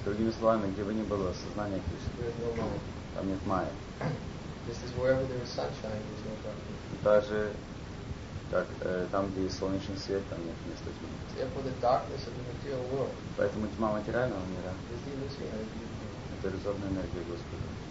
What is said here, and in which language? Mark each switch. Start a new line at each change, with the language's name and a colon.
Russian: Другими словами, где бы ни было сознание Кришны,
English: there is no mind.
Russian: Там нет майя.
English: This is wherever there is sunshine, there is no darkness.
Russian: Даже так, там, где есть солнечный свет, там нет места тьмы.
English: Therefore, the darkness of the material world.
Russian: Поэтому тьма материального мира.
English: Is the illusory energy.
Russian: Это иллюзорная энергия Господа.